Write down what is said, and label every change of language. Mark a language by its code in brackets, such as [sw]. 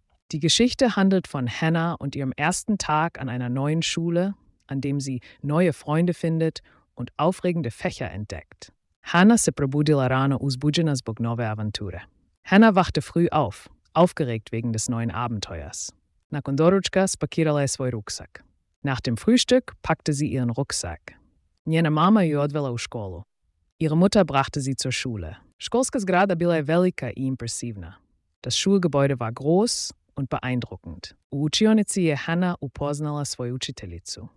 [de] Die Geschichte handelt von Hanna und ihrem ersten Tag an einer neuen Schule, an dem sie neue Freunde findet und aufregende Fächer entdeckt. [hr] Hanna se probudila rano uzbuđena zbog nove avanture. [de] Hanna wachte früh auf, aufgeregt wegen des neuen Abenteuers. [hr] Nakon doručka spakirala je svoj ruksak. [de] Nach dem Frühstück packte sie ihren Rucksack. [hr] Njena mama ju odvela u školu. [de] Ihre Mutter brachte sie zur Schule. [hr] Školska zgrada bila je velika i impresivna. [de] Das Schulgebäude war groß und beeindruckend. [hr] U učionici je Hanna upoznala svoju učiteljicu.